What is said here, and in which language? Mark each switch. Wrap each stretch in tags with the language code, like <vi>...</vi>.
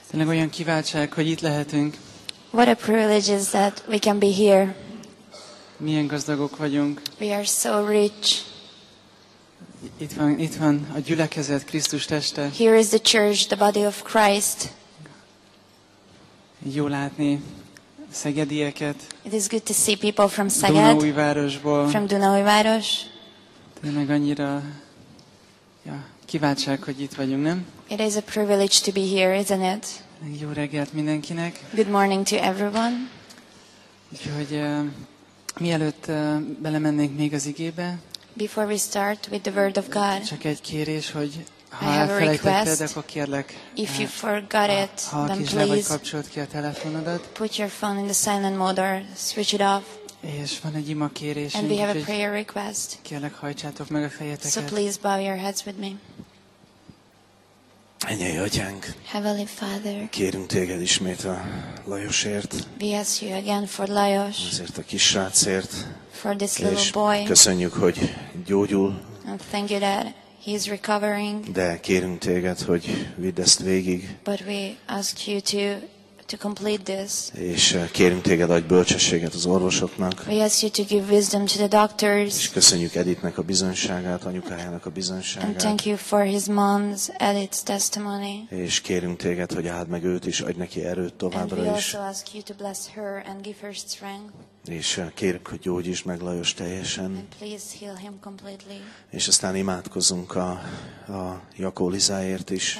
<hu>Tényleg olyan kiváltság, hogy itt lehetünk.</hu> <en>What a privilege is that we can be here.</en> <hu>Milyen gazdagok vagyunk.</hu> <en>We are so rich.</en> <hu>Itt van a gyülekezet, Krisztus teste.</hu> <en>Here is the church, the body of Christ.</en> <hu>Jó látni szegedieket.</hu> <en>It is good to see people from Szeged.</en> <hu>Dunaújvárosból.</hu> <en>From Dunaújváros.</en> <hu>Tényleg annyira kiváltság, hogy itt vagyunk, nem?</hu> <en>It is a privilege to be here, isn't it?</en> <hu>Jó reggelt mindenkinek.</hu> <en>Good morning to everyone.</en> <hu>Úgyhogy mielőtt belemennénk még az igébe.</hu> <en>Before we start with the word of God.</en> <hu>Csak egy kérés, hogy ha elfelejtetted, akkor kérlek.</hu> <en>If you forgot it, then please.</en> <hu>Ha kis kapcsolt ki a telefonodat.</hu> <en>Put your phone in the silent mode or switch it off.</en> <hu>És van egy ima kérésünk.</hu> <en>And we have a prayer request.</en> <hu>Kérlek, hajtsátok meg a fejeteket.</hu> <en>So please bow your heads with me.</en> <hu>Ennyi atyánk,</hu> <en>Heavenly Father,</en> <hu>kérünk téged ismét a Lajosért,</hu> <en>we ask you again for Lajos,</en> <hu>azért a kis srácért,</hu> <en>for this little boy,</en> <hu>köszönjük, hogy gyógyul,</hu> <en>and thank you that he is recovering,</en> <hu>de kérünk téged, hogy vidd ezt végig,</hu> <en>but we ask you to complete this,</en> <hu>és kérünk téged, adj bölcsességet az orvosoknak,</hu> <en>we ask you to give wisdom to the doctors,</en> <hu>és köszönjük Editnek a bizonyságát, anyukájának a bizonyságát,</hu> <en>and thank you for his mom's Edith's testimony,</en> <hu>és kérünk téged, hogy áld meg őt is, adj neki erőt továbbra</hu> <en>is, and we also ask you to bless her and give her strength,</en> <hu>és kérünk, hogy gyógyíts meg Lajos teljesen,</hu> <en>and please heal him completely,</en> <hu>és aztán imádkozunk a Jakó Lizáért is,</hu>